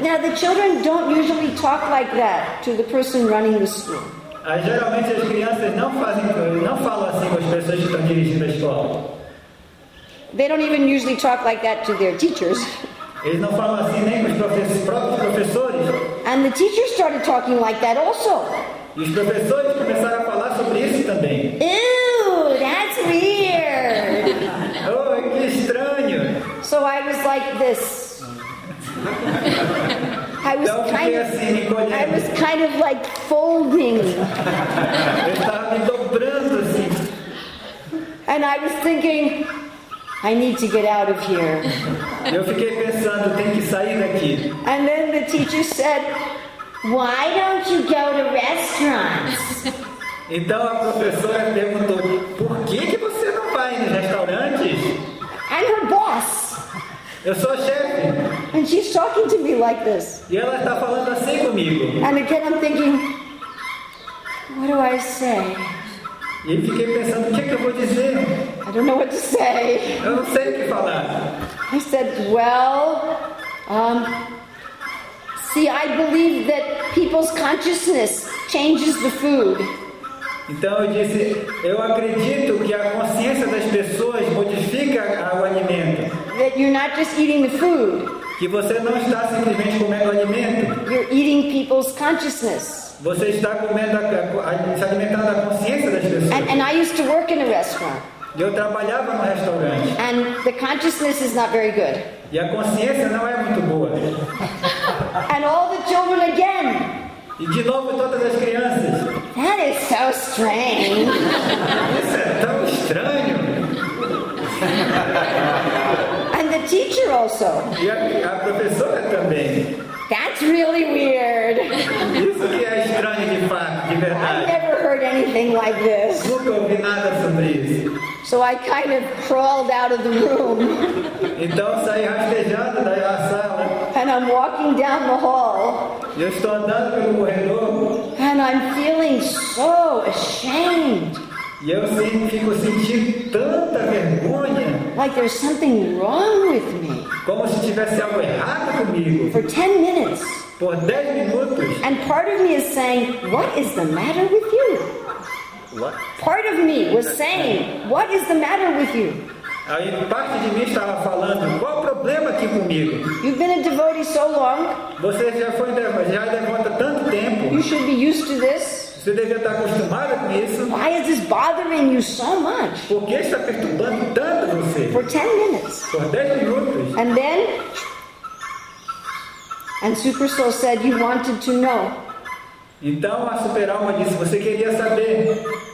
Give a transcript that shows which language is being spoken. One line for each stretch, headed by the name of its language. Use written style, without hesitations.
English: Now the children don't usually talk like that to the person running the school.
Portuguese: Geralmente as crianças não falam assim com as pessoas que estão dirigindo a escola.
English: They don't even usually talk like that to their teachers.
Portuguese: Eles não falam assim nem com os próprios professores.
English: And the teachers started talking like that also.
Portuguese: E os professores começaram a falar sobre isso também.
English: Ew, that's weird.
Portuguese: Oh, que estranho.
English: So I was like this. I was
Portuguese: então,
English: kind of
Portuguese: assim,
English: I was kind of like folding.
Portuguese: Eu estava me dobrando assim.
English: And I was thinking, I need to get out of here.
Portuguese: Eu fiquei pensando, tenho que sair daqui.
English: And then the teacher said, why don't you go to restaurants?
Portuguese: Então a professora perguntou, por que você não vai em restaurantes?
English: I'm her boss.
Portuguese: Eu sou a chefe.
English: And she's talking to me like this.
Portuguese: E ela está falando assim comigo.
English: And again I'm thinking, what do I say?
Portuguese: E eu fiquei pensando, o que eu vou dizer?
English: I don't know what to say.
Portuguese: Eu não sei o que falar.
English: I said, well, see, I believe that people's consciousness changes the food.
Portuguese: Então eu disse, eu acredito que a consciência das pessoas modifica o alimento.
English: That you're not just eating the food.
Portuguese: Que você não está simplesmente comendo o alimento.
English: You're eating people's consciousness.
Portuguese: Você está comendo, se alimentando a consciência das pessoas.
English: And I used to work in a restaurant.
Portuguese: Eu trabalhava num restaurante.
English: And the consciousness is not very good.
Portuguese: E a consciência não é muito boa.
English: And all the children again.
Portuguese: E de novo todas as crianças.
English: That is so strange.
Portuguese: Isso é tão estranho.
English: And the teacher also.
Portuguese: E a professora também.
English: That's really weird.
Portuguese: Isso que é estranho de fato, de verdade.
English: I never heard anything like this.
Portuguese: Nunca ouvi nada sobre isso.
English: So I kind of crawled out of the room.
Portuguese: Então saí rastejando da sala.
English: And I'm walking down the hall.
Portuguese: Eu estou andando pelo corredor.
English: And I'm feeling so ashamed.
Portuguese: E eu fico sentindo tanta vergonha.
English: Like there's something wrong with me.
Portuguese: Como se tivesse algo errado comigo.
English: For 10 minutes.
Portuguese: Por 10 minutos.
English: And part of me is saying, what is the matter with you? What? Part of me was saying, what is the matter with you?
Portuguese: Aí parte de mim estava falando, qual o problema aqui comigo?
English: You've been a devotee so long.
Portuguese: Você já devota tanto tempo.
English: You should be used to this.
Portuguese: Você devia estar acostumado com isso.
English: Why is this bothering you so much?
Portuguese: Por que está perturbando tanto você?
English: For 10 minutes.
Portuguese: Por 10 minutos.
English: And then, and Super Soul said you wanted to know.
Portuguese: Então a Super Alma disse, você queria saber.